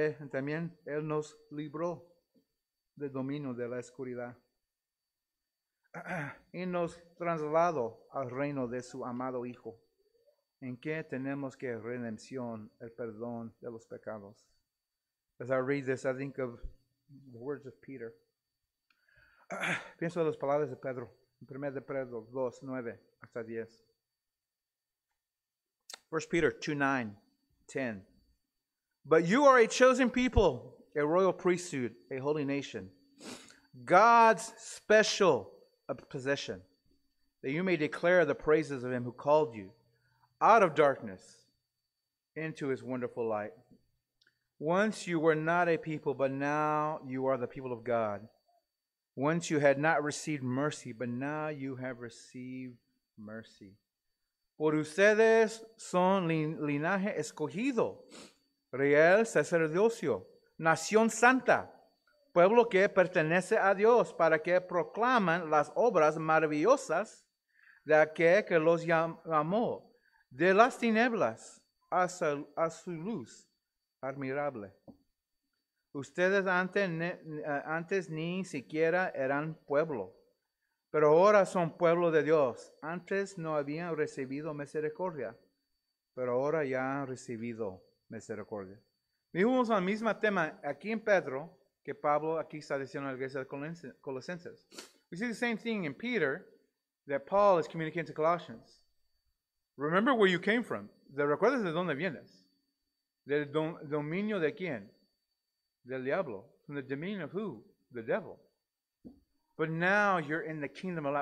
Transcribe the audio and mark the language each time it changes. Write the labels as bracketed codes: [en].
[es] También Él nos libró del dominio de la oscuridad y nos trasladó al reino de su amado Hijo, en que tenemos que redención, el perdón de los pecados. [en] As I read this, I think of the words of Peter. [es] Pienso en las palabras de Pedro, en 1 de Pedro 2, 9 hasta 10. [en] 1 Peter 2, 9, 10. But you are a chosen people, a royal priesthood, a holy nation, God's special possession, that you may declare the praises of Him who called you out of darkness into His wonderful light. Once you were not a people, but now you are the people of God. Once you had not received mercy, but now you have received mercy. [es] Por ustedes son linaje escogido, real sacerdocio, nación santa, pueblo que pertenece a Dios, para que proclamen las obras maravillosas de aquel que los llamó de las tinieblas a su luz admirable. Ustedes antes ni siquiera eran pueblo, pero ahora son pueblo de Dios. Antes no habían recibido misericordia, pero ahora ya han recibido misericordia. Vimos el mismo tema aquí en Pedro, que Pablo aquí está diciendo a la iglesia de Colosenses. [en] We see the same thing in Peter that Paul is communicating to Colossians. Remember where you came from. [es] ¿Te recuerdas de dónde vienes? Del dominio de quién? Del diablo. [en] From the dominion of who? The devil. But now you're in the kingdom of light.